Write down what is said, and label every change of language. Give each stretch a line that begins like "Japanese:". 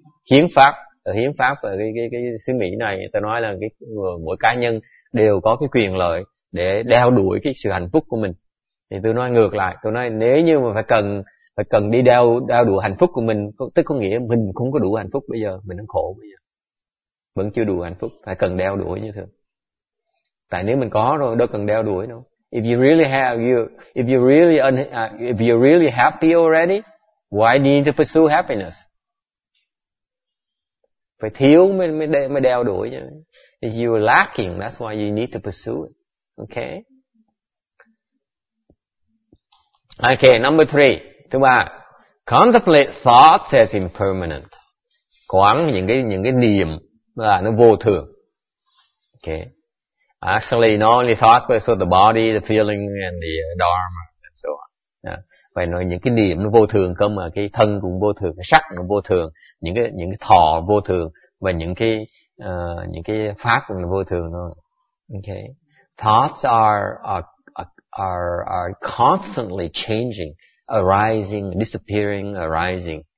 Vietnamese: Hiến pháp ở cái xứ Mỹ này người ta nói là mỗi cá nhân đều có cái quyền lợi để đeo đuổi cái sự hạnh phúc của mình. Thì tôi nói ngược lại, tôi nói nếu như mà phải cần phải cần đi đeo đeo đủ hạnh phúc của mình, tức có nghĩa mình không có đủ hạnh phúc bây giờ, mình đang khổ bây giờ, vẫn chưa đủ hạnh phúc, phải cần đeo đuổi như thường. Tại nếu mình có rồi đâu cần đeo đuổi đâu.
English: If you really have you if you really un, if you really happy already, why need to pursue happiness?
Vietnamese: Phải thiếu mới đeo đuổi chứ.
English: If you are lacking, that's why you need to pursue it. Okay. Okay, number three.
Vietnamese: Thứ ba,
English: contemplate thoughts as impermanent.
Vietnamese: Quán những cái niệm là nó vô thường.
English: Okay. Actually, not only thoughts but also the body, the feeling and the dharma and so on.
Vietnamese: Vậy nói những cái niệm nó vô thường cơ mà, cái thân cũng vô thường, cái sắc cũng vô thường, những cái thọ vô thường và những cái pháp cũng vô thường thôi. Okay.
English: Thoughts are constantly changing, arising, disappearing, arising.